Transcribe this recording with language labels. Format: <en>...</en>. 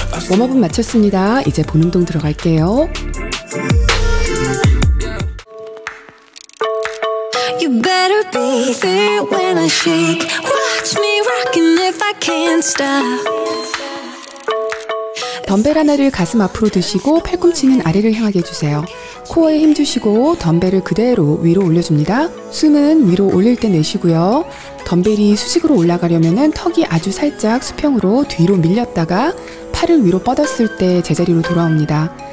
<ko>웜업은 마쳤습니다. 이제 본 운동 들어갈게요.</ko> <en>You better be there when I shake. Watch me rockin' if I can't stop.</en> <ko>덤벨 하나를 가슴 앞으로 드시고 팔꿈치는 아래를 향하게 해주세요. 코어에 힘 주시고 덤벨을 그대로 위로 올려줍니다. 숨은 위로 올릴 때 내쉬고요. 덤벨이 수직으로 올라가려면 턱이 아주 살짝 수평으로 뒤로 밀렸다가 팔을 위로 뻗었을 때 제자리로 돌아옵니다.</ko>